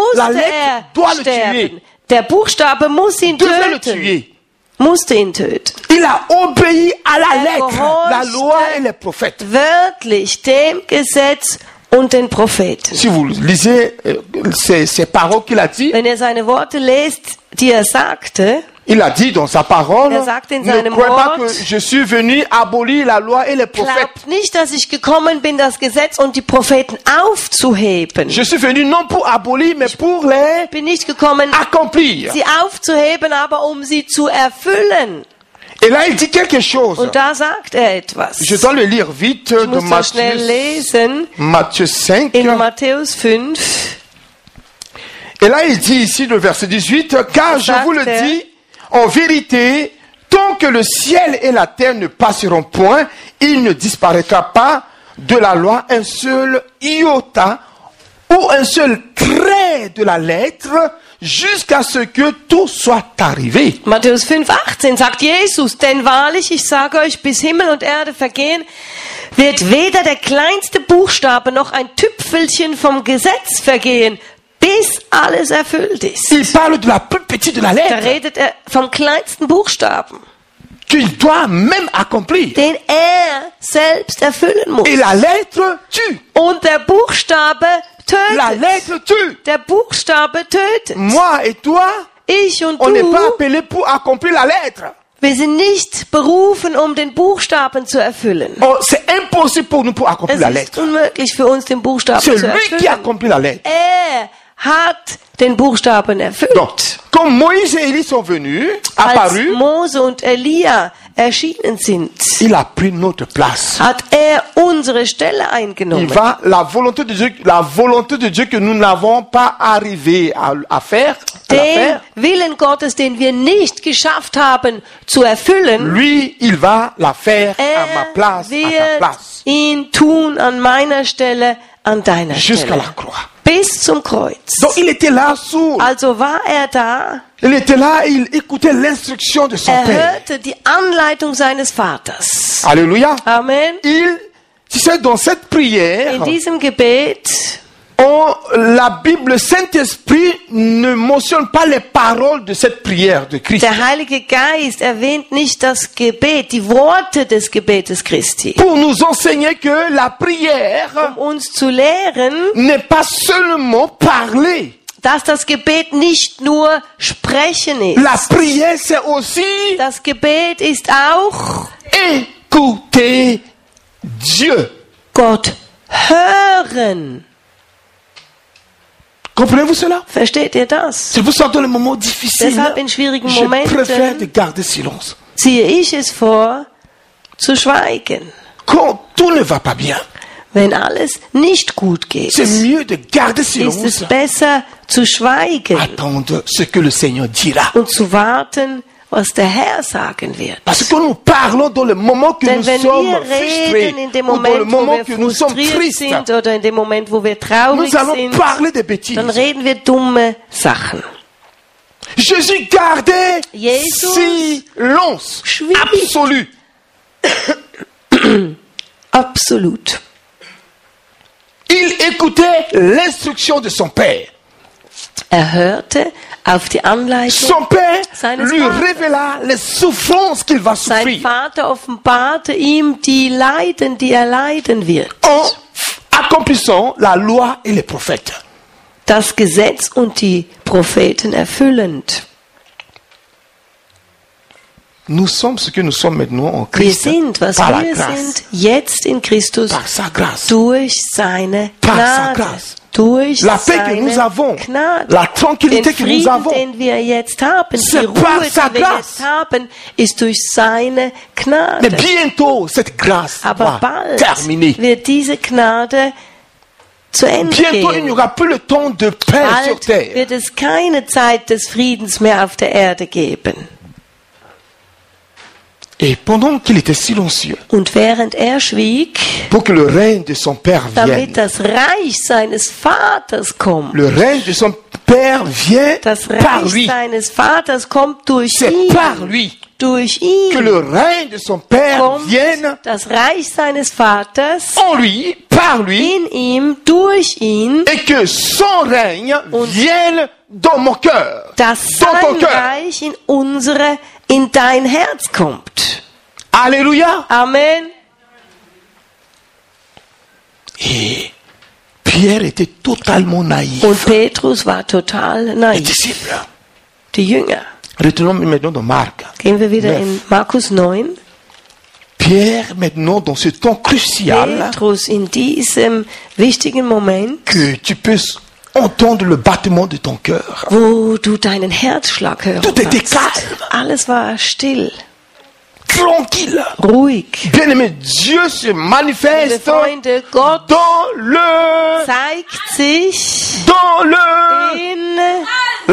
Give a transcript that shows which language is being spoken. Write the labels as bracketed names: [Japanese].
[French] La lettre doit le tuer. [German] Der Buchstabe muss ihn töten. Musste ihn töten. [French] Il a obéi à la lettre, la loi et les prophètes. [German] Wirklich dem Gesetz und den Propheten. [French] Si vous lisez ses paroles qu'il a dit. [German] Wenn ihr seine Worte lest, die er sagte. [French] Il a dit dans sa parole, ne crois pas que je suis venu abolir la loi et les prophètes. [German] Glaubt nicht, dass ich gekommen bin, das Gesetz und die Propheten aufzuheben. [French] Je suis venu non pour abolir, mais pour les accomplir. [German] Sie aufzuheben, aber sie zu erfüllen. [French] Et là, il dit quelque chose. [German] Und da sagt etwas. [French] Je dois le lire vite de Matthieu 5. [German] In Matthäus 5. [French] Et là, il dit ici le verset 18, car je vous le dis, en vérité, tant que le ciel et la terre ne passeront point, il ne disparaîtra pas de la loi un seul iota ou un seul trait de la lettre jusqu'à ce que tout soit arrivé. [German] Matthäus 5, 18 sagt Jesus, denn wahrlich, ich sage euch, bis Himmel und Erde vergehen, wird weder der kleinste Buchstabe noch ein Tüpfelchen vom Gesetz vergehen, bis alles erfüllt ist. [French] Il parle de la plus petite de la lettre. [German] Da redet vom kleinsten Buchstaben. [French] Qu'il doit même accomplir. [German] Den selbst erfüllen muss. [French] Et la lettre tue. [German] Und der Buchstabe tötet. [French] La lettre tue. [German] Der Buchstabe tötet. [French] Moi et toi. [German] Ich und [French] on n'est pas appelé pour accomplir la lettre. [German] Wir sind nicht berufen, den Buchstaben zu erfüllen. [French] Oh, c'est impossible pour nous pour accomplir la lettre. [German] Es ist unmöglich für uns, den Buchstaben zu erfüllen. [French] C'est lui qui accomplit la lettre. [German] Hat den Buchstaben erfüllt. [French] Donc, quand Moïse et Élie sont venus, apparus, [German] als Mose und Elia erschienen sind, [French] il a pris notre place. [German] Hat unsere Stelle eingenommen. [French] Il va la volonté de Dieu que nous n'avons pas arrivé à faire. [German] Den Willen Gottes, den wir nicht geschafft haben, zu erfüllen. [French] Lui, il va la faire à ma place, [German] wird [French] à ta place. [German] Ihn tun an meiner Stelle, an deiner [French] jusqu'à [German] Stelle. [French] La croix. [German] Bis zum Kreuz. [French] Donc, il était là, sourd. [German] Also war da. [French] Il était là, il écoutait l'instruction de son père. [German] Hörte die Anleitung seines Vaters. [French] Alléluia. [German] Amen. [French] Il, tu sais, dans cette prière, [German] in diesem Gebet, [French] la Bible, Saint-Esprit ne mentionne pas les paroles de cette prière de Christ. [German] Der Heilige Geist erwähnt nicht das Gebet, die Worte des Gebetes Christi. [French] Pour nous enseigner que la prière [German] uns zu lehren, [French] n'est pas seulement parler. [German] Dass das Gebet nicht nur sprechen ist. [French] La prière, c'est aussi [German] das Gebet ist auch [French] écouter Dieu. [German] Gott hören. [French] Comprenez-vous cela? [German] Versteht ihr das? [French] C'est pour ça que dans les moments difficiles, [German] deshalb in schwierigen Momenten, [French] je préfère de garder silence. [German] Ziehe ich es vor, zu schweigen. [French] Quand tout ne va pas bien, [German] wenn alles nicht gut geht, [French] c'est mieux de garder silence, [German] ist es besser, zu schweigen. [French] Attendre ce que le Seigneur dira. [German] Und zu warten, was der Herr sagen wird. [French] Parce que nous parlons dans le moment que [German] denn [French] nous sommes frustrés, ou dans le moment que nous sommes tristes, [German] oder in dem Moment, wo wir traurig [French] nous allons [German] sind, [French] parler des bêtises. [German] Dann reden wir dumme Sachen. [French] Jésus gardait [German] Jesus [French] silence absolu. [German] Absolut. [French] Il écoutait l'instruction de son père. [German] Hörte auf die Anleitung [French] son père [German] seines [French] lui [German] Vaters. [French] Révéla les souffrances qu'il va [German] sein [French] souffrir. [German] Vater offenbarte ihm die Leiden, die leiden wird. [French] En accomplissant la loi et les prophètes. [German] Das Gesetz und die Propheten erfüllend. [French] Nous sommes ce que nous sommes maintenant en Christ. [German] Wir sind, was [French] par [German] wir [French] la grâce. [German] Sind jetzt in Christus. [French] Par sa grâce. [German] Durch seine [French] par [German] Gnade. [French] Sa grâce. [German] Durch [French] la paix que nous avons, [German] Gnade, [French] la tranquillité [German] Frieden, [French] que nous avons, [German] den wir jetzt haben, [French] c'est [German] die Ruhe, [French] par sa [German] die wir jetzt haben, ist durch seine Gnade. [French] Mais bientôt, cette grâce [German] aber [French] va [German] bald [French] terminer. [German] Wird diese Gnade zu Ende [French] bientôt, [German] gehen. [French] Il n'y aura plus le temps de paix [German] bald [French] sur terre. [German] Wird es keine Zeit des Friedens mehr auf der Erde geben. [French] Et pendant qu'il était silencieux, [German] und während er schwieg, [French] pour que le règne de son père [German] damit [French] vienne, [German] das Reich seines Vaters kommt, [French] le règne de son père vient [German] das Reich [French] par lui. [German] Seines Vaters kommt durch [French] c'est [German] ihn, [French] par lui [German] durch ihn, [French] que le règne de son père [German] kommt [French] vienne [German] das Reich seines Vaters [French] en lui, par lui, [German] in ihm, durch ihn, [French] et que son règne [German] und [French] vienne dans mon cœur, [German] dass [French] dans [German] sein [French] ton cœur. [German] Reich in unsere in dein Herz kommt. [French] Alléluia. [German] Amen. [French] Et Pierre était totalement naïf. [German] Und Petrus war total naïf. [French] Les disciples. [German] Die Jünger. [French] Retournons maintenant dans Marc. [German] Gehen wir wieder 9. in Markus 9. [French] Pierre maintenant dans ce temps crucial. [German] Petrus in diesem wichtigen Moment. [French] Que tu puisses entendre le battement de ton cœur. [German] Wo du deinen Herzschlag hören [French] tout était calme. [German] Alles war still. [French] Tranquille. [German] Ruhig. [French] Bien aimé, Dieu se manifeste. [German] Liebe Freunde, Gott [French] dans le [German] zeigt sich [French] dans le [German] in